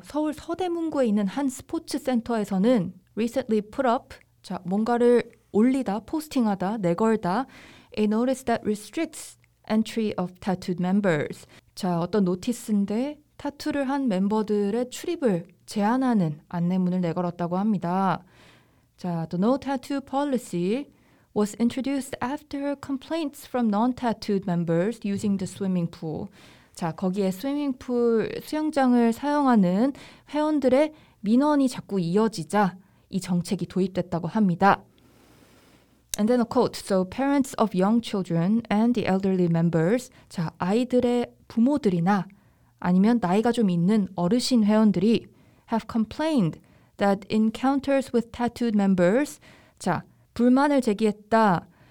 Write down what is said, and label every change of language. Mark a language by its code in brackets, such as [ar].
[ko] 서울 서대문구에 있는 한 스포츠 센터에서는 recently put up, 자, 뭔가를 올리다, 포스팅하다, 내걸다, a notice that restricts entry of tattooed members. 자, 어떤 노티스인데 타투를 한 멤버들의 출입을 제한하는 안내문을 내걸었다고 합니다. [en] 자, the no tattoo policy was introduced after complaints from non-tattooed members using the swimming pool. [ko] 자, 거기에 스위밍풀 수영장을 사용하는 회원들의 민원이 자꾸 이어지자 이 정책이 도입됐다고 합니다. [en] And then a quote. So parents of young children and the elderly members. [ko] 자, 아이들의 부모들이나 아니면 나이가 좀 있는 어르신 회원들이 have complained that encounters with tattooed members. 자, 불만을 제기했다.